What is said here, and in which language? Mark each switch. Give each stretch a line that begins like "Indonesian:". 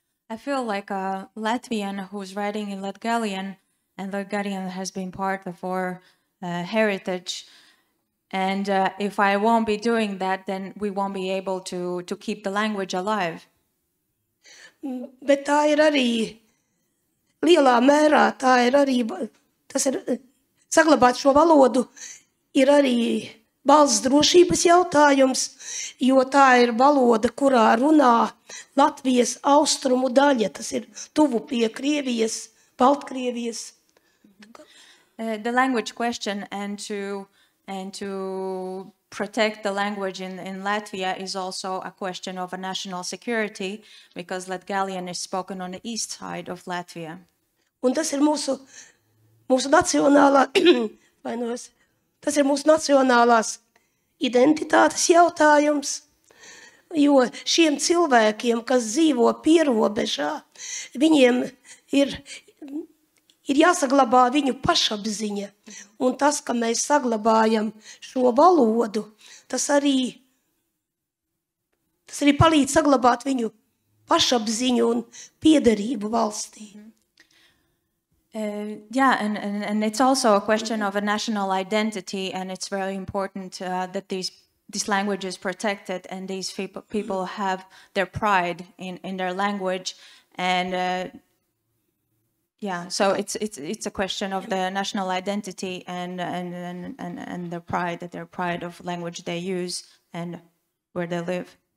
English: I feel like a Latvian who's writing in Latgalian, and Latgalian has been part of our heritage. And if I won't be doing that, then we won't be able to keep the language alive.
Latvian: Bet tā ir arī lielā mērā, tā ir arī, tas ir, saglabāt šo valodu ir arī balss drošības jautājums, jo tā ir valoda, kurā runā Latvijas austrumu daļa, tas ir tuvu pie Krievijas, Baltkrievijas.
English: The language question and to protect the language in Latvia is also a question of a national security, because Latgalian is spoken on the east side of Latvia.
Latvian: Un tas ir mūsu nacionālā, vainos, tas ir mūsu nacionālās identitātes jautājums, jo šiem cilvēkiem, kas dzīvo pierobežā, viņiem ir jāsaglabā viņu pašapziņa. Un tas, ka mēs saglabājam šo valodu, tas arī palīdz saglabāt viņu pašapziņu un piederību valstī.
English: And it's also a question of a national identity, and it's very important that this language is protected, and these people have their pride in their language, and so it's a question of the national identity and their pride, that their pride of language they use and where they live.